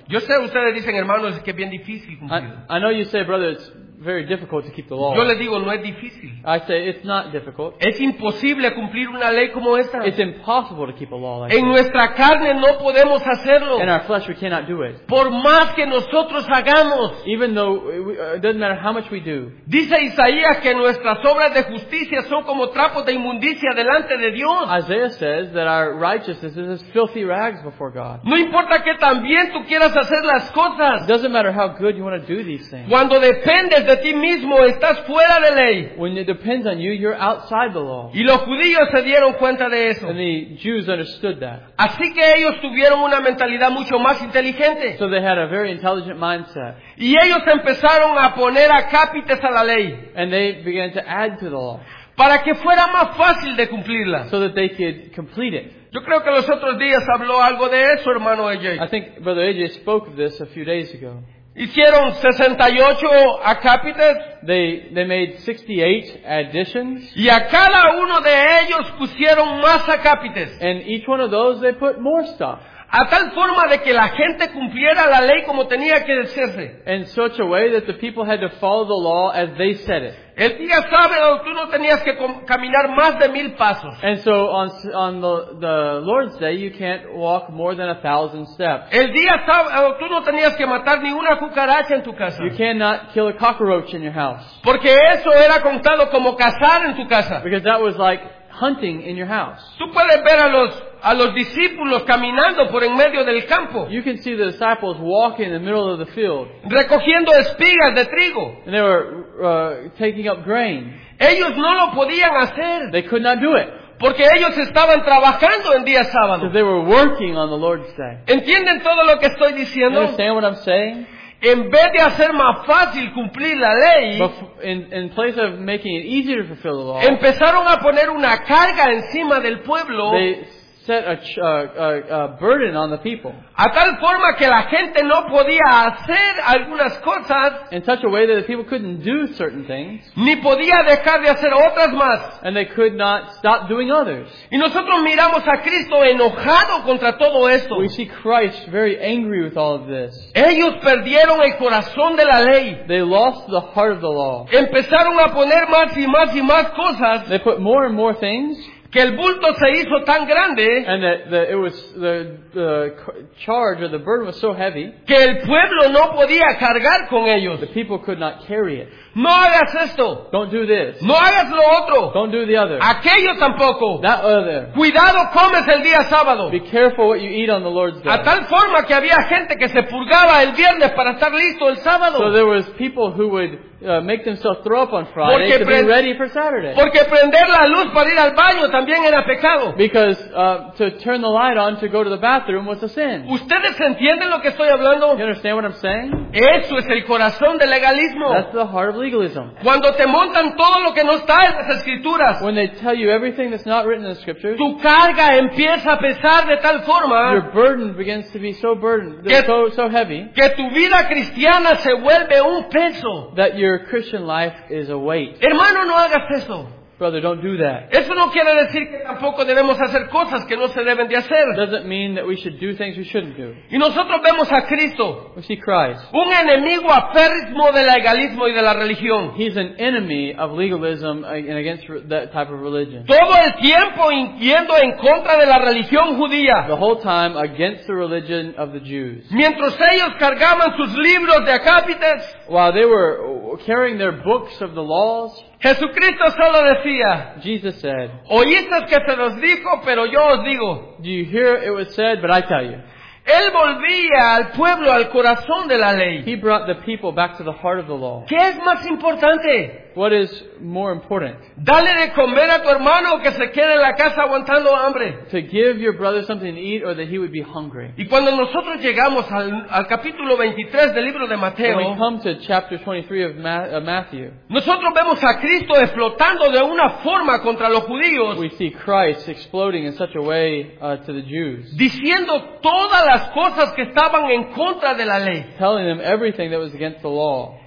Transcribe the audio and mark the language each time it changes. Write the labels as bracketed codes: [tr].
[es] Yo sé, ustedes dicen, hermanos, que es bien difícil cumplir. [en] I know you say, brother, it's very difficult to keep the law. [es] Yo les digo, no es difícil. [en] I say, it's not difficult. [es] Es imposible cumplir una ley como esta. [en] It's impossible to keep a law like [es] this. En nuestra carne no podemos hacerlo. [en] In our flesh we cannot do it. [es] Por más que nosotros hagamos. [en] Even though, it doesn't matter how much we do. [es] Dice Isaías que nuestras obras de justicia son como trapos de inmundicia delante de Dios. [en] Isaiah says that our righteousness is as filthy rags before God. [es] No importa que también tú quieras hacer las cosas. [en] It doesn't matter how good you want to do these things. [es] Cuando dependes de de ti mismo, estás fuera de ley. [en] When it depends on you, you're outside the law. [es] Y los judíos se dieron cuenta de eso. [en] And the Jews understood that. [es] Así que ellos tuvieron una mentalidad mucho más inteligente. [en] So they had a very intelligent mindset. [es] Y ellos empezaron a poner acápites a la ley. [en] And they began to add to the law. [es] Para que fuera más fácil de cumplirla. [en] So that they could complete it. [es] Yo creo que los otros días habló algo de eso, hermano AJ. [en] I think Brother AJ spoke of this a few days ago. [es] Hicieron 68 acápites. [en] They made 68 additions. [es] Y a cada uno de ellos pusieron más acápites. [en] And each one of those they put more stuff. [es] A tal forma de que la gente cumpliera la ley como tenía que decirse. [en] In such a way that the people had to follow the law as they said it. [es] El día sábado tú no tenías que caminar más de 1,000 pasos. [en] And so on the Lord's day you can't walk more than 1,000 steps. [es] El día sábado tú no tenías que matar ni una cucaracha en tu casa. [en] You cannot kill a cockroach in your house. [es] Porque eso era contado como cazar en tu casa. [en] Because that was like hunting in your house. [es] Tú puedes ver a los discípulos caminando por en medio del campo. [en] You can see the disciples walking in the middle of the field. [es] Recogiendo espigas de trigo. [en] And they were taking up grain. [es] Ellos no lo podían hacer. [en] They could not do it. [es] Porque ellos estaban trabajando en día sábado. [en] Because they were working on the Lord's day. [es] ¿Entienden todo lo que estoy diciendo? [en] You understand what I'm saying? [es] En vez de hacer más fácil cumplir la ley, [en] in place of making it easier to fulfill the law, [es] empezaron a poner una carga encima del pueblo. [en] They set a burden on the people. [es] A tal forma que la gente no podía hacer algunas cosas. [en] In such a way that the people couldn't do certain things. [es] Ni podía dejar de hacer otras más. [en] And they could not stop doing others. [es] Y nosotros miramos a Cristo enojado contra todo esto. [en] We see Christ very angry with all of this. [es] Ellos perdieron el corazón de la ley. [en] They lost the heart of the law. [es] Empezaron a poner más y más y más cosas. [en] They put more and more things. [es] Que el bulto se hizo tan grande. [en] And that it was the charge or the burden was so heavy. [es] Que el pueblo no podía cargar con ellos. [en] The people could not carry it. [es] No hagas esto. [en] Don't do this. [es] No hagas lo otro. [en] Don't do the other. [es] Aquello tampoco. [en] That other. [es] Cuidado comes el día sábado. [en] Be careful what you eat on the Lord's day. [es] A tal forma que había gente que se purgaba el viernes para estar listo el sábado. [en] So there was people who would make themselves throw up on Friday [es] porque [en] to be ready for Saturday. [es] Porque prender la luz para ir al baño también era pecado. [en] Because to turn the light on to go to the bathroom was a sin. [es] ¿Ustedes entienden lo que estoy hablando? [en] You understand what I'm saying? [es] Eso es el corazón del legalismo. [en] That's the heart of legalism. [es] Cuando te montan todo lo que no está en las escrituras. [en] When they tell you everything that's not written in the scriptures. [es] Tu carga empieza a pesar de tal forma. [en] Your burden begins to be so burdened, so heavy. [es] Que tu vida cristiana se vuelve un peso. [en] That your Christian life is a weight. [es] Hermano, no hagas eso. [en] Brother, don't do that. [es] Eso no quiere decir que tampoco debemos hacer cosas que no se deben de hacer. [en] Doesn't mean that we should do things we shouldn't do. [es] Y nosotros vemos a Cristo. [en] We see Christ. [es] Un enemigo aférrimo del legalismo y de la religión. [en] He's an enemy of legalism and against that type of religion. [es] Todo el tiempo yendo en contra de la religión judía. [en] The whole time against the religion of the Jews. [es] Mientras ellos cargaban sus libros de acápites. [en] While they were carrying their books of the laws. [es] Jesucristo solo decía. [en] Jesus said. [es] Oísteis que se los dijo, pero yo os digo. [en] Do you hear it was said, but I tell you. [es] Él volvía al pueblo al corazón de la ley. [en] He brought the people back to the heart of the law. [es] ¿Qué es más importante? [en] What is more important? [es] Dale de comer a tu hermano o que se quede en la casa aguantando hambre. [en] To give your brother something to eat or that he would be hungry. [es] Y cuando nosotros llegamos al capítulo 23 del libro de Mateo, [en] when we come to chapter 23 of Matthew, [es] nosotros vemos a Cristo explotando de una forma contra los judíos. [en] We see Christ exploding in such a way to the Jews. [es] Diciendo todas las cosas que estaban en contra de la ley. [en] Telling them everything that was against the law.